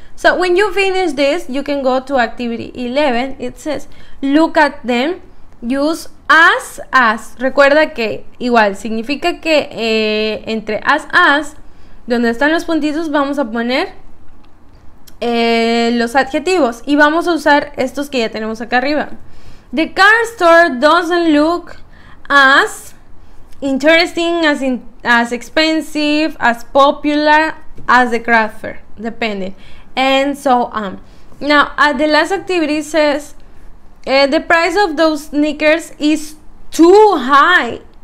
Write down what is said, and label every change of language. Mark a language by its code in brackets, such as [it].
[en] So, when you finish this, you can go to activity 11. It says, look at them, use as. [es] Recuerda que igual significa que entre as, donde están los puntitos, vamos a poner los adjetivos. Y vamos a usar estos que ya tenemos acá arriba. [en] The car store doesn't look as interesting, as expensive, as popular as the craft fair. Depende. And so on. Now, the last activity says, the price of those sneakers is too high.